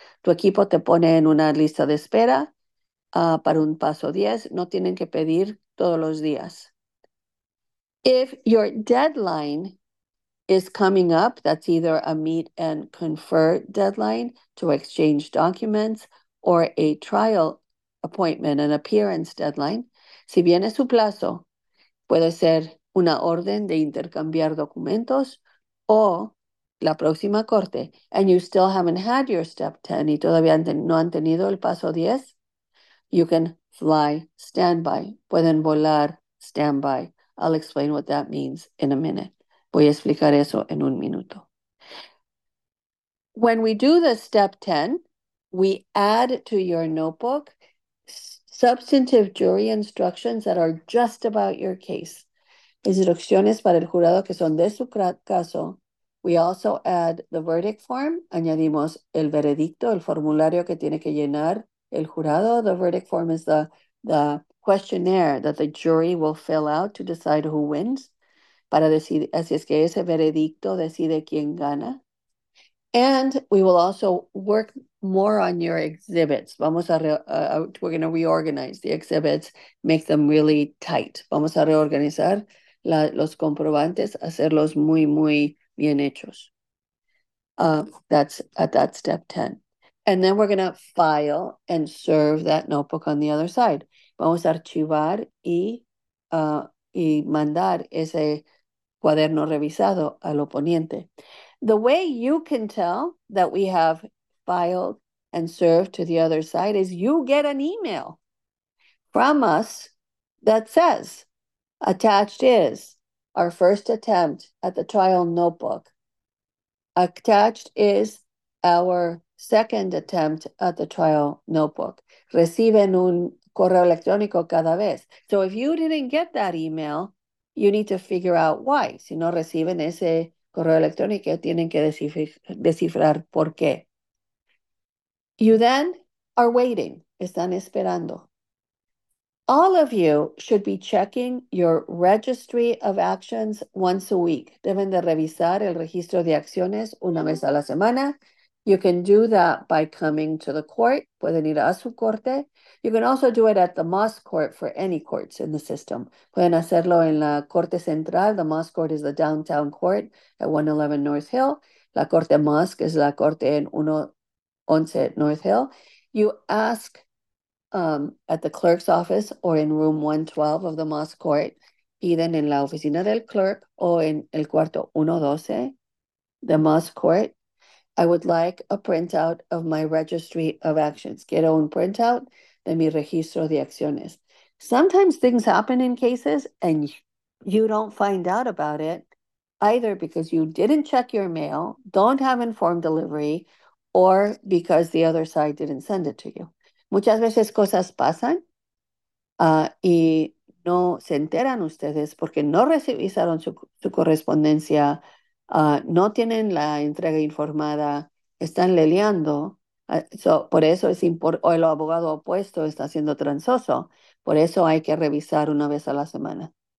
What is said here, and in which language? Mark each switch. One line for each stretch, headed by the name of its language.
Spanish: Tu equipo te pone en una lista de espera, para un paso 10, no tienen que pedir todos los días.
English: If your deadline is coming up, that's either a meet and confer deadline to exchange documents or a trial appointment, an appearance deadline.
Spanish: Si viene su plazo Puede ser una orden de intercambiar documentos o la próxima corte,
English: and you still haven't had your step 10
Spanish: y todavía no han tenido el paso 10,
English: you can fly standby.
Spanish: Pueden volar standby.
English: I'll explain what that means in a minute.
Spanish: Voy a explicar eso en un minuto.
English: When we do the step 10, we add to your notebook substantive jury instructions that are just about your case.
Spanish: Instrucciones para el jurado que son de su caso.
English: We also add the verdict form.
Spanish: Añadimos el veredicto, el formulario que tiene que llenar el jurado.
English: The verdict form is the questionnaire that the jury will fill out to decide who wins.
Spanish: Para decir, así es que ese veredicto decide quién gana.
English: And we will also work more on your exhibits.
Spanish: Vamos a,
English: we're going to reorganize the exhibits, make them really tight.
Spanish: Vamos a reorganizar los comprobantes, hacerlos muy, muy bien hechos.
English: That's at that step 10. And then we're going to file and serve that notebook on the other side.
Spanish: Vamos a archivar y mandar ese cuaderno revisado al oponente.
English: The way you can tell that we have filed and served to the other side is you get an email from us that says, attached is our first attempt at the trial notebook. Attached is our second attempt at the trial notebook.
Spanish: Reciben un correo electrónico cada vez.
English: So if you didn't get that email, you need to figure out why.
Spanish: Si no reciben ese correo electrónico, tienen que descifrar por qué.
English: You then are waiting.
Spanish: Están esperando.
English: All of you should be checking your registry of actions once a week.
Spanish: Deben de revisar el registro de acciones una vez a la semana.
English: You can do that by coming to the court.
Spanish: Pueden ir a su corte.
English: You can also do it at the Moss Court for any courts in the system.
Spanish: Pueden hacerlo en la Corte Central.
English: The Moss Court is the downtown court at 111 North Hill.
Spanish: La Corte Moss es la corte en 111 North Hill.
English: You ask at the clerk's office or in room 112 of the Moss Court.
Spanish: Piden en la oficina del clerk o en el cuarto 112, the Moss Court.
English: I would like a printout of my registry of actions.
Spanish: Quiero un printout de mi registro de acciones.
English: Sometimes things happen in cases and you don't find out about it either because you didn't check your mail, don't have informed delivery, or because the other side didn't send it to you.
Spanish: Muchas veces cosas pasan, y no se enteran ustedes porque no revisaron su correspondencia. No tienen la entrega informada, están leleando, so, por eso es importante, o el abogado opuesto está haciendo transoso, por eso hay que revisar una vez a la semana.